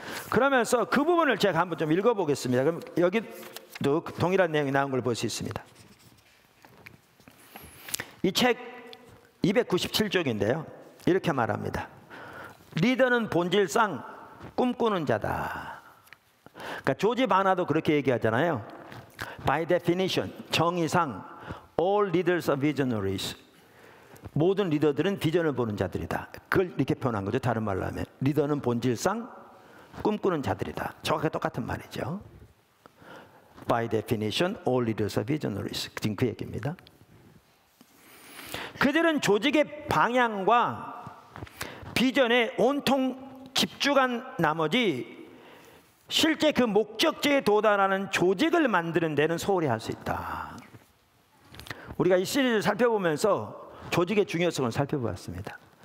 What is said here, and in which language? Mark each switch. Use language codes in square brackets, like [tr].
[ko] 그러면서 그 부분을 제가 한번 좀 읽어보겠습니다. 그럼 여기도 동일한 내용이 나온 걸 볼 수 있습니다. 이 책 297쪽인데요 이렇게 말합니다. 리더는 본질상 꿈꾸는 자다. 그러니까 조지 바나도 그렇게 얘기하잖아요. [en] By definition, 정의상 all leaders are visionaries. [ko] 모든 리더들은 비전을 보는 자들이다. 그걸 이렇게 표현한 거죠. 다른 말로 하면 리더는 본질상 꿈꾸는 자들이다. 정확히 똑같은 말이죠. [en] By definition, all leaders are visionaries. [ko] 지금 그 얘기입니다. 그들은 조직의 방향과 비전에 온통 집중한 나머지 실제 그 목적지에 도달하는 조직을 만드는 데는 소홀히 할 수 있다. 우리가 이 시리즈를 살펴보면서 조직의 중요성을 살펴보았습니다.